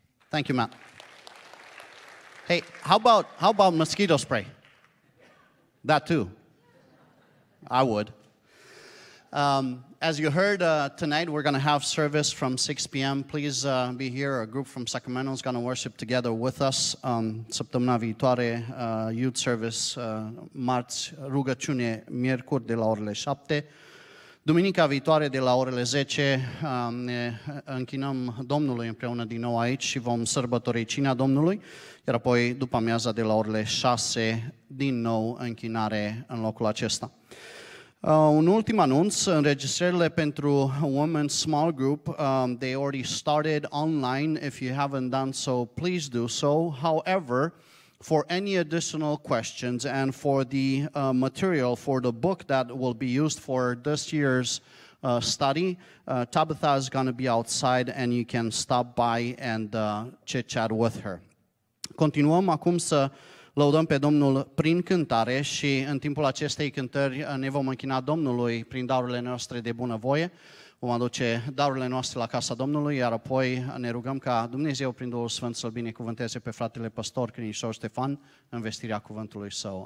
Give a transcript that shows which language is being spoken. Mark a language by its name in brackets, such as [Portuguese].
[English] Thank you, Matt. Hey, how about mosquito spray? That too. I would. As you heard, tonight we're going to have service from 6 p.m. Please be here. A group from Sacramento is going to worship together with us. [Romanian] Săptămâna viitoare, [English] youth service, [Romanian] marți, rugăciune, miercuri de la orele 7. Duminica viitoare de la orele 10, ne închinăm Domnului împreună din nou aici și vom sărbători cina Domnului. Iar apoi, după amiaza de la orele 6, din nou închinare în locul acesta. Un ultim anunț, înregistrările pentru [English] Women's Small Group, they already started online. If you haven't done so, please do so. However, for any additional questions and for the material, for the book that will be used for this year's study, Tabitha is going to be outside and you can stop by and chit-chat with her. [Romanian] Continuăm acum să Lăudăm pe Domnul prin cântare și în timpul acestei cântări ne vom închina Domnului prin darurile noastre de bunăvoie. Vom aduce darurile noastre la casa Domnului, iar apoi ne rugăm ca Dumnezeu prin Duhul Sfânt să-L binecuvânteze pe fratele păstor Crinișor Ștefan în vestirea cuvântului său.